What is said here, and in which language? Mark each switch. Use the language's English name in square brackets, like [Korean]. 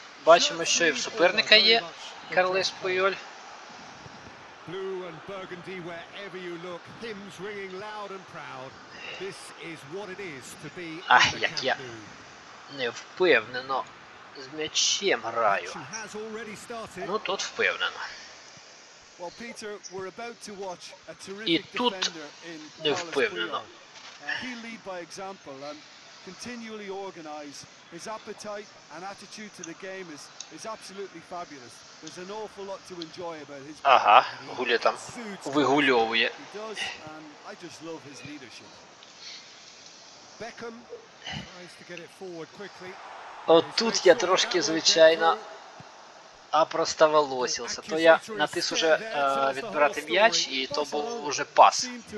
[Ukrainian] Бачимо, що і в суперника є Карлес Пуйоль. [English] Blue and burgundy wherever you look, hymns ringing loud and proud. This is what it is to be a Cap Blue. [Ukrainian] Не впевнено з м'ячем граю. Ну тут впевнено. [English] Well, Peter, we're about to watch a terrific defender in Carlos. He'll lead by example and continually organize. His appetite and attitude to the game is absolutely fabulous. There's an awful lot to enjoy about his. [Ukrainian] Ага, гуля там вигульовує. [English] I just love his leadership. Beckham tries to get it forward quickly. [Ukrainian] От тут я трошки звичайно опростоволосился. То я натис уже відбирати м'яч, і то був уже пас.